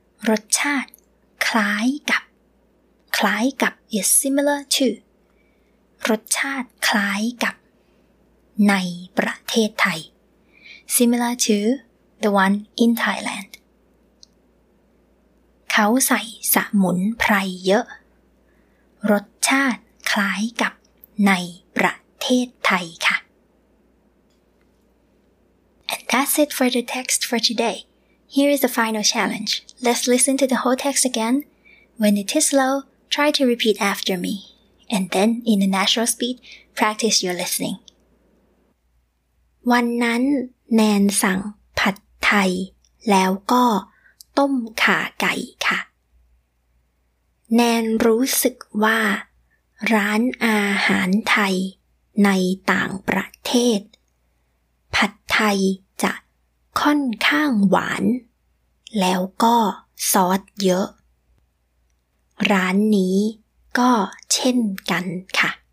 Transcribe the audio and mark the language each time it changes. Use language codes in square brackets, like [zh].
[th] รสชาติคล้ายกับคล้ายกับ [en] is similar to [th] รสชาติคล้ายกับในประเทศไทย [en] similar to the one in Thailand [th] เขาใส่สมุนไพรเยอะรสชาติคล้ายกับในประเทศไทยค่ะ [en] and that's it for the text for today here is the final challenge let's listen to the whole text again when it is slowTry to repeat after me, and then in a natural speed, practice your listening. [th] วันนั้นแนนสั่งผัดไทยแล้วก็ต้มข่าไก่ค่ะแนนรู้สึกว่าร้านอาหารไทยในต่างประเทศผัดไทยจะค่อนข้างหวานแล้วก็ซอสเยอะร้านนี้ก็เช่นกันค่ะ